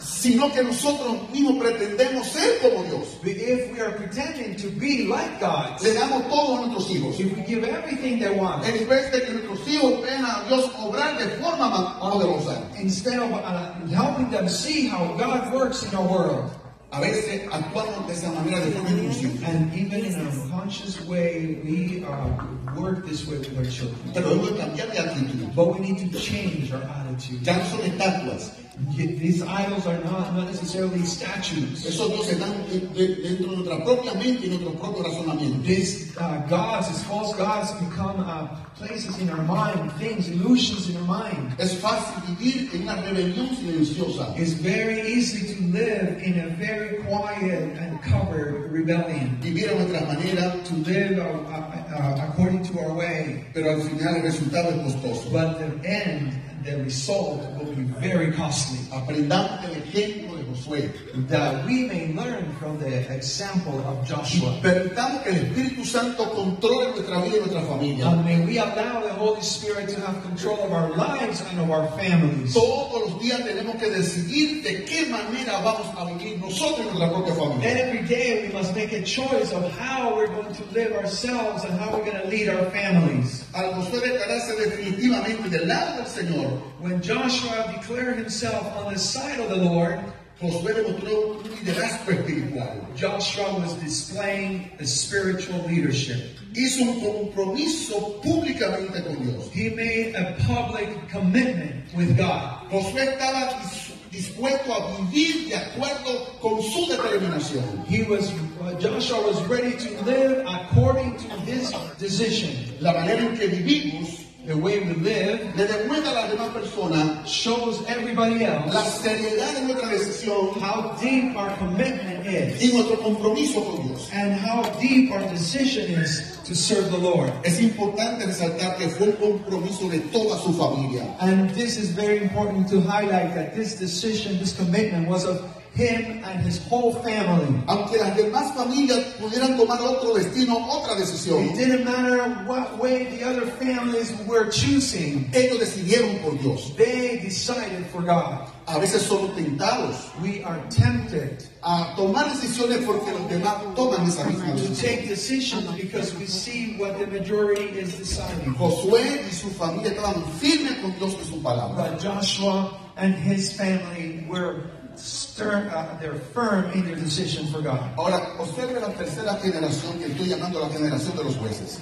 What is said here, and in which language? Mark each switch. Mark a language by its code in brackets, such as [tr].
[es] sino que nosotros mismos pretendemos ser como Dios. [en] If we are pretending to be like God, [es] le damos todo a nuestros hijos. [en] If we give everything they want, [es] en vez de que nuestros hijos vean a Dios obrar de forma más poderosa, [en] instead of helping them see how God works in our world, [es] a veces actuamos de esa manera de forma inconsciente. [en] And even in a conscious way, we work this way with our children. [es] Pero hay que cambiar de actitud. [en] But we need to change our attitude. [es] Ya son estatuas. [en] These idols are not necessarily statues. [es] Eso no se dan dentro de nuestra propia mente y nuestro propio razonamiento. [en] These false gods become places in our mind, things, illusions in our mind. [es] Es fácil vivir en una rebelión silenciosa. [en] It's very easy to live in a very quiet and covered rebellion. [es] Vivir a nuestra manera. [en] To live according to our way. [es] Pero al final el resultado es costoso. [en] But the end, the result will be very costly. [es] Aprendamos el ejemplo de Josué. [en] That we may learn from the example of Joshua. [es] Permitamos que el Espíritu Santo controle nuestra vida y nuestra familia. [en] And may we allow the Holy Spirit to have control of our lives and of our families. [es] Todos los días tenemos que decidir de qué manera vamos a vivir nosotros y nuestra propia familia. [en] Every day we must make a choice of how we're going to live ourselves and how we're going to lead our families. [es] Al Josué declararse definitivamente del lado del Señor, [en] when Joshua declared himself on the side of the Lord, [es] Josué demostró un liderazgo espiritual. [en] Joshua was displaying a spiritual leadership. [es] Hizo un compromiso públicamente con Dios. [en] He made a public commitment with God. [es] Josué estaba dispuesto a vivir de acuerdo con su determinación. determinación. [en] He was, Joshua was ready to live according to his decision. [es] La manera en que vivimos, [en] the way we live, [es] le demuestra a la demás persona, [en] shows everybody else [es] la seriedad de nuestra decisión, [en] how deep our commitment is, [es] y nuestro compromiso con Dios, [en] and how deep our decision is to serve the Lord. [es] Es importante resaltar que fue un compromiso de toda su familia. [en] And this is very important to highlight, that this decision, this commitment was of him and his whole family. [es] Aunque las demás familias pudieran tomar otro destino, otra decisión, [en] it didn't matter what way the other families were choosing. [es] Ellos decidieron por Dios. [en] They decided for God. [es] A veces somos tentados, [en] we are tempted, [es] a tomar decisiones porque los demás toman esa misma decisión. [en] To take decisions because we see what the majority is deciding. [es] Josué y su familia estaban firmes con Dios y su palabra. [en] But Joshua and his family were stern, they're firm in their decision for God. [es] Ahora, observe la tercera generación que estoy llamando la generación de los jueces.